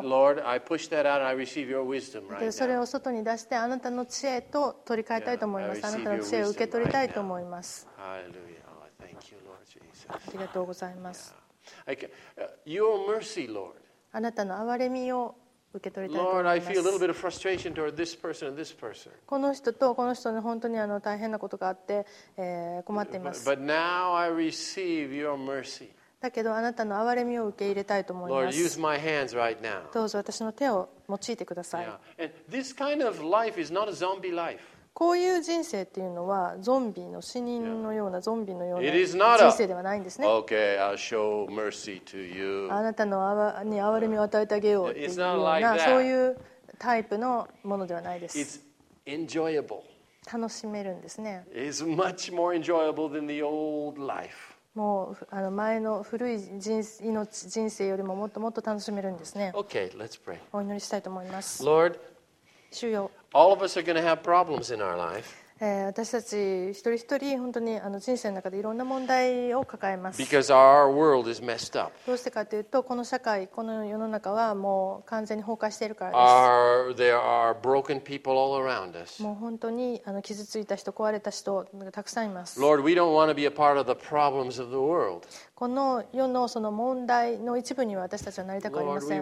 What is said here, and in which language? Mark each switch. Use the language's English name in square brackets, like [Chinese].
[English] Lord, I push that out and I receive your wisdom right now. [Japanese] それを外に出してあなたの知恵と取り替えたいと思います。あなたの知恵を受け取りたいと思います。ありがとうございます。 [English] Your mercy, Lord. [Japanese] あなたの憐れみを受け取りたいと思います。 [English] Lord, I feel a little bit of frustration toward this person and this person. [Japanese] この人とこの人に本当に大変なことがあって、困っています。 [English] But now I receive your mercy. [Japanese] だけどあなたの憐れみを受け入れたいと思います。 [English] Lord, use my hands right now. [Japanese] どうぞ私の手を用いてください。 [English] Yeah. And this kind of life is not a zombie life. [Japanese] こういう人生っていうのはゾンビの死人のような、ゾンビのような人生ではないんですね。 [English] Okay, I'll show mercy to you. [Japanese] あなたのに憐れみを与えてあげようっていうような、 [English] like、 [Japanese] そういうタイプのものではないです。 [English] It's enjoyable. [Japanese] 楽しめるんですね。 [English] It's much more enjoyable than the old life. [Japanese] もう前の古い 人生よりももっともっと楽しめるんですね。 [English] Okay, let's pray. [Japanese] お祈りしたいと思います。 [English] Lord, [Japanese] 主よ、 [English] All of us are going to have problems in our life. [Japanese] 私たち一人一人本当に人生の中でいろんな問題を抱えます。 [English] Because our world is messed up. [Japanese] どうしてかというと、この社会、この世の中はもう完全に崩壊しているからです。 [English] There are broken people all around us. [Japanese] もう本当に傷ついた人、壊れた人がたくさんいます。 [English] Lord, we don't want to be a part of the problems of the world. [Japanese] この世のその問題の一部には私たちはなりたくありません。